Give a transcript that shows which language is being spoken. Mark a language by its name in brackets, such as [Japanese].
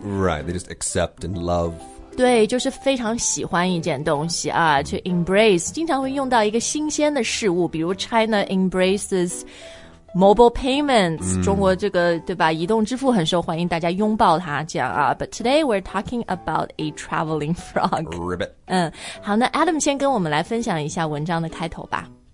[English] Right, they just accept and love [Chinese] 对就是非常喜欢一件东西啊去 embrace 经常会用到一个新鲜的事物比如 [English] China embracesMobile payments,、 [Chinese] mm. 中国这个对吧移动支付很受欢迎大家拥抱它这样啊。 [English] But today we're talking about a traveling frog. Ribbit. [Chinese] 好那 Adam 先跟我们来分享一下文章的开头吧。